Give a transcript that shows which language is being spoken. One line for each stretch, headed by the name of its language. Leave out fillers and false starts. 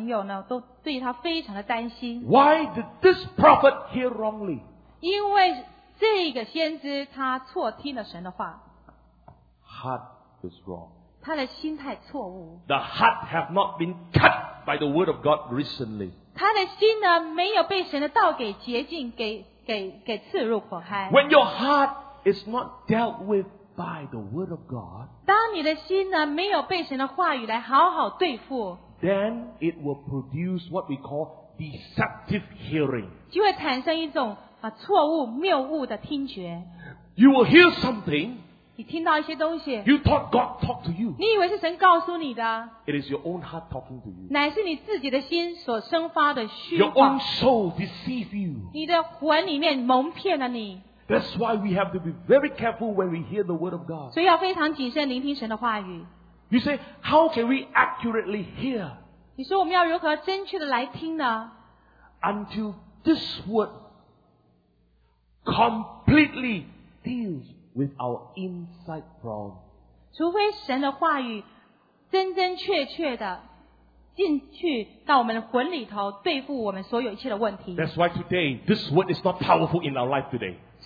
Chinese: 孙大所牧师和我还有其他的朋友呢，都对他非常的担心。
English: Why did this prophet hear wrongly?
Chinese: 因为 这个先知他错听了神的话。
English: Heart is wrong.
Chinese: 他的心态错误。
English: The heart have not been cut by the word of God recently.
Chinese: 他的心呢，没有被神的道给洁净，给刺入剖开。
English: When your heart is not dealt with by the word of God,
Chinese: 当你的心呢，没有被神的话语来好好对付。
English: Then it will produce what we call deceptive hearing.
Chinese: 就会产生一种 错误谬误的听觉。
English: You will hear something.
Chinese: 你听到一些东西。
English: You thought God talked to you.
Chinese: 你以为是神告诉你的。
English: It is your own heart talking to you.
Chinese: 乃是你自己的心所生发的虚话。
English: Your own soul deceives you.
Chinese: 你的魂里面蒙骗了你。
English: That's why we have to be very careful when we hear the word of God.
Chinese: 所以要非常谨慎聆听神的话语。
English: You say, how can we accurately hear?
Chinese: 你说我们要如何正确的来听呢？
English: Until this word completely deals with our inside problem.
Chinese: 除非神的话语真真确确的进去到我们魂里头，对付我们所有一切的问题。
English: That's why today this word is not powerful in our life today.